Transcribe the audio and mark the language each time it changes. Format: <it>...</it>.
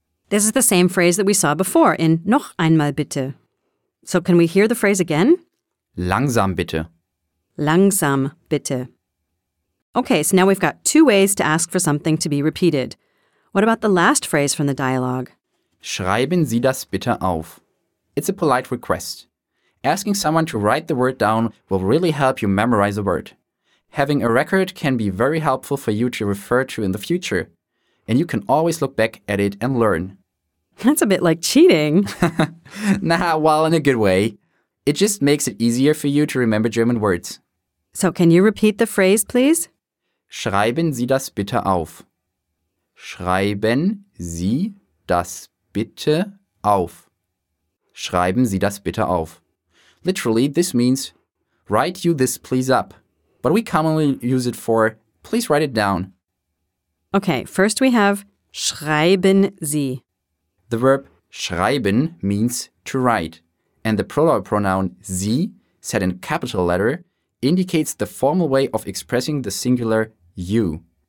<en>This is the same phrase that we saw before in noch einmal bitte. So can we hear the phrase again?</en> <de>Langsam bitte. Langsam bitte.</de> <en>Okay, so now we've got two ways to ask for something to be repeated. What about the last phrase from the dialogue?</en> <de>Schreiben Sie das bitte auf.</de> <en>It's a polite request. Asking someone to write the word down will really help you memorize a word. Having a record can be very helpful for you to refer to in the future. And you can always look back at it and learn. That's a bit like cheating. Nah, well, in a good way. It just makes it easier for you to remember German words. So can you repeat the phrase, please?</en> <de>Schreiben Sie das bitte auf. Schreiben Sie das bitte auf. Schreiben Sie das bitte auf.</de> <en>Literally, this means, write you this please up. But we commonly use it for, please write it down. Okay, first we have schreiben Sie. The verb schreiben means to write. And the plural pronoun Sie, set in capital letter, indicates the formal way of expressing the singular you.</en>